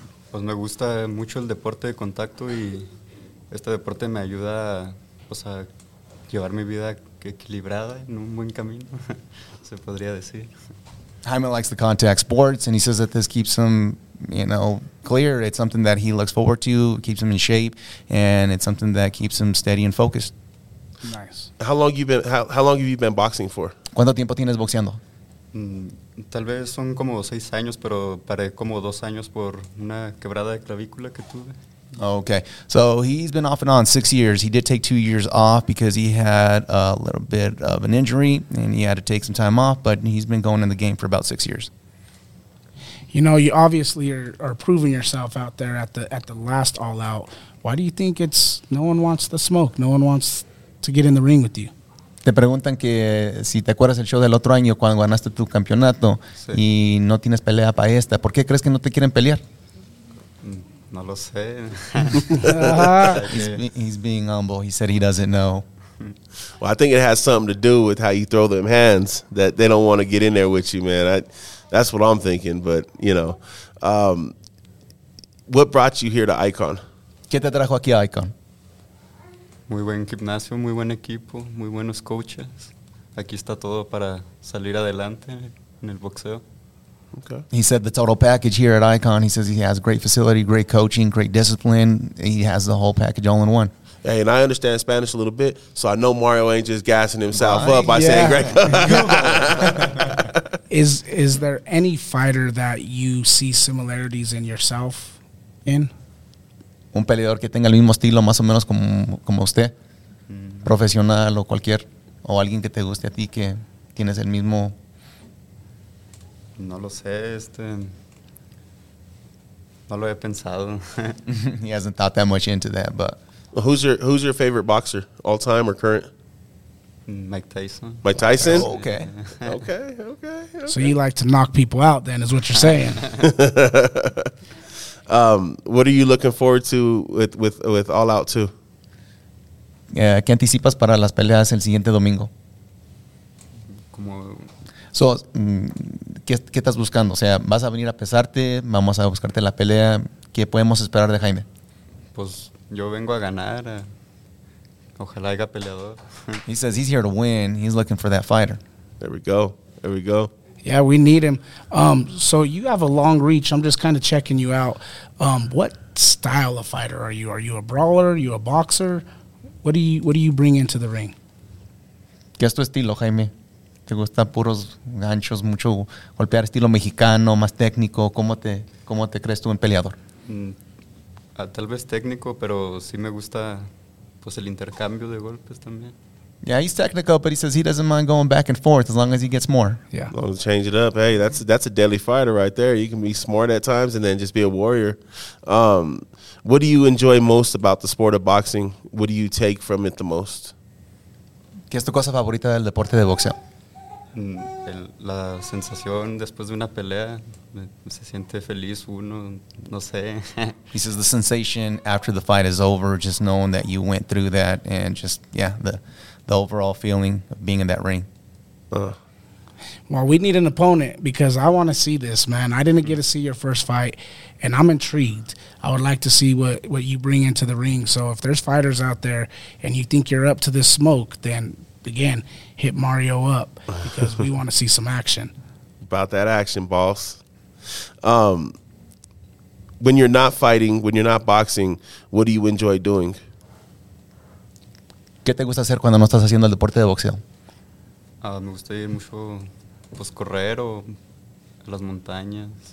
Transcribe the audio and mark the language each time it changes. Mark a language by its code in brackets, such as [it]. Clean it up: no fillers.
[es] Pues me gusta mucho el deporte de contacto y este deporte me ayuda pues, a llevar mi vida equilibrada en un buen camino, se podría decir. [en] Jaime likes the contact sports, and he says that this keeps him, you know, clear. It's something that he looks forward to, keeps him in shape, and it's something that keeps him steady and focused. Nice. How long have you been boxing for? [es] ¿Cuánto tiempo tienes boxeando? Tal vez son como 6 años, pero paré como 2 años por una quebrada de clavícula que tuve. [en] Okay, so he's been off and on 6 years. He did take 2 years off because he had a little bit of an injury and he had to take some time off, but he's been going in the game for about 6 years. You know, you obviously are proving yourself out there at the last All Out. Why do you think it's no one wants the smoke? No one wants to get in the ring with you? [es] Te preguntan que si te acuerdas el show del otro año cuando ganaste tu campeonato y no tienes pelea para esta. ¿Por qué crees que no te quieren pelear? No lo sé. [en] He's being humble. He said he doesn't know. Well, I think it has something to do with how you throw them hands, that they don't want to get in there with you, man. That's what I'm thinking. But, you know, what brought you here to Icon? [es] ¿Qué te trajo aquí a Icon? Muy buen gimnasio, muy buen equipo, muy buenos coaches. Aquí está todo para salir adelante en el boxeo. [en] Okay. He said the total package here at Icon. He says he has great facility, great coaching, great discipline. He has the whole package all in one. Hey, and I understand Spanish a little bit, so I know Mario ain't just gassing himself up by saying great. Is there any fighter that you see similarities in yourself in? [es] Un peleador que tenga el mismo estilo, más o menos como usted, profesional o cualquier, o alguien que te guste a ti que tienes el mismo. No lo sé, no lo he pensado. [en] He hasn't thought that much into that, but. Who's your favorite boxer, all time or current? Mike Tyson? Oh, okay. Okay. So you like to knock people out then, is what you're saying. What are you looking forward to with All Out 2? [es] ¿Qué anticipas para las peleas el siguiente domingo? Como. So, ¿qué estás buscando? O sea, ¿vas a venir a pesarte? ¿Vamos a buscarte la pelea? ¿Qué podemos esperar de Jaime? Pues yo vengo a ganar. Ojalá haya peleador. [en] He says he's here to win. He's looking for that fighter. There we go. Yeah, we need him. So you have a long reach. I'm just kind of checking you out. What style of fighter are you? Are you a brawler? Are you a boxer? What do you bring into the ring? [es] ¿Qué es tu estilo, Jaime? ¿Te gusta puros ganchos, mucho golpear estilo mexicano, más técnico? ¿Cómo te crees tú en peleador? Tal vez técnico, pero sí me gusta pues el intercambio de golpes también. [en] Yeah, he's technical, but he says he doesn't mind going back and forth as long as he gets more. Yeah. As long as you change it up. Hey, that's a deadly fighter right there. You can be smart at times and then just be a warrior. What do you enjoy most about the sport of boxing? What do you take from it the most? [es] ¿Qué es tu cosa favorita del deporte de boxeo? La sensación después de una pelea, se siente feliz uno, no sé. [en] He says the sensation after the fight is over, just knowing that you went through that, and just, yeah, the overall feeling of being in that ring. Well, we need an opponent because I want to see this, man. I didn't get to see your first fight, and I'm intrigued. I would like to see what you bring into the ring. So if there's fighters out there and you think you're up to this smoke, then again, hit Mario up because we want to see some action. About that action, boss. When you're not fighting, when you're not boxing, what do you enjoy doing? [es] ¿Qué te gusta hacer cuando no estás haciendo el deporte de boxeo? Me gusta ir mucho, pues, correr o a las montañas.